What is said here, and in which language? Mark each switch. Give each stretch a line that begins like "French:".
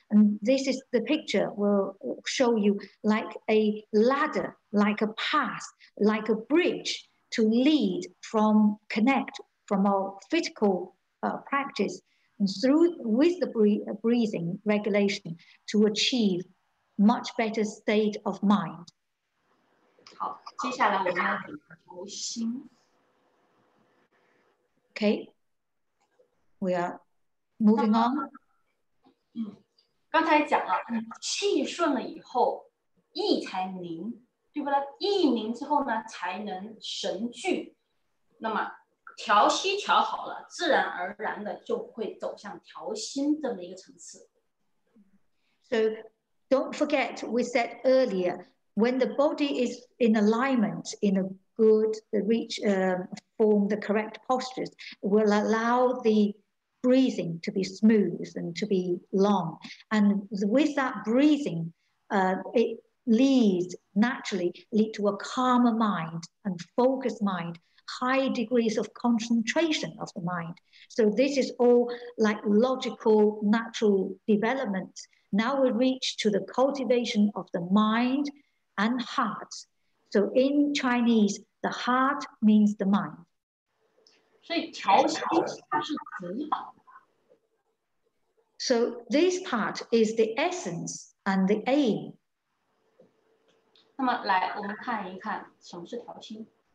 English: And this is the picture we'll show you, like a ladder, like a path, like a bridge to lead from connect from our physical practice and through with the breathing regulation to achieve much better state of mind.
Chinese: 好，接下来我们要讲头心。
English: Okay, we are moving on.
Chinese: 刚才讲了，气顺了以后，意才宁，对不对？意宁之后呢，才能神聚。那么调息调好了，自然而然的就会走向调心这么一个层次。
English: So don't forget, we said earlier, when the body is in alignment, in a good, the reach, form the correct postures will allow the breathing to be smooth and to be long. And with that breathing, it leads naturally lead to a calmer mind and focused mind, high degrees of concentration of the mind. So this is all like logical, natural development. Now we reach to the cultivation of the mind and heart. So in Chinese, the heart means the mind.
Chinese: 所以调息它是指导。
English: So this part is the essence and the aim.
Chinese: 那么来我们看一看什么是调心。